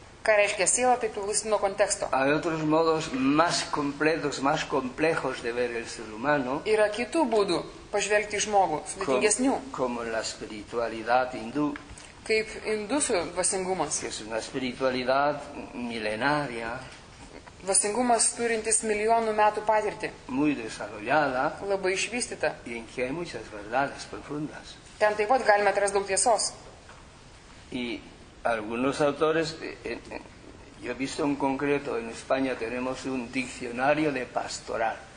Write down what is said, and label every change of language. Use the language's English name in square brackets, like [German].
[Spanish] ¿Qué reiche sílaba tai tu visino contexto? Hay otros modos más completos, más complejos de ver el ser humano. [Lithuanian] Yra kitų būdų pažvelgti į žmogų, sudėtingesnių. [Spanish] Como la espiritualidad hindú. [Lithuanian] Kaip indusų vasingumas. [Spanish] Es una espiritualidad milenaria. [Lithuanian] Vasingumas turintis milijonų metų patirtį. [Spanish] Muy desarrollada. [Lithuanian] Labai išvystyta. [Spanish] Y en que hay muchas verdades profundas. [Lithuanian] Ten taip pat galime atrasti daug tiesos. [Spanish] Y algunos autores, yo he visto en concreto, en España tenemos un diccionario de pastoral.